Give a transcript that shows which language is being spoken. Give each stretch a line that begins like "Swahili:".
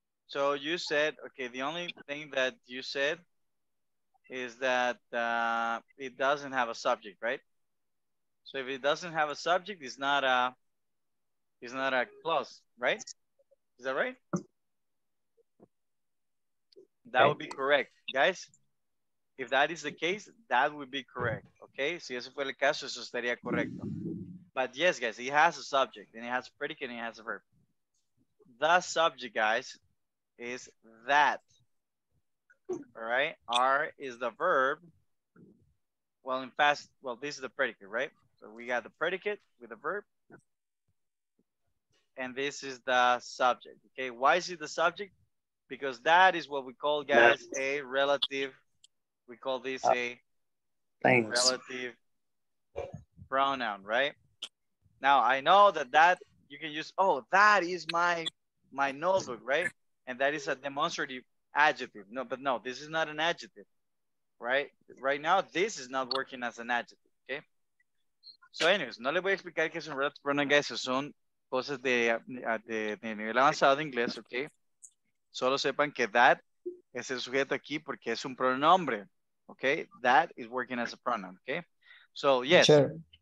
English: So you said, okay, the only thing that you said is that it doesn't have a subject, right? So if it doesn't have a subject, it's not a clause, right? Is that right? That would be correct, guys. If that is the case, that would be correct, okay?
Spanish: Si ese fue el caso, eso estaría correcto.
English: But yes, guys, it has a subject, and it has a predicate, and it has a verb. The subject, guys, is that, all right? R is the verb. Well, in past, well, this is the predicate, right? So we got the predicate with the verb. And this is the subject, okay? Why is it the subject? Because that is what we call, guys, a relative. We call this a relative pronoun, right? Now, I know that that you can use, oh, that is my notebook, right? And that is a demonstrative adjective. No, but no, this is not an adjective, right? Right now, this is not working as an adjective, okay? So anyways,
Spanish: no le voy a explicar que es un relative pronoun, guys, son cosas de nivel avanzado de inglés, okay? Solo sepan que that es el sujeto aquí porque es un pronombre, okay?
English: That is working as a pronoun, okay? So, yes. Sure.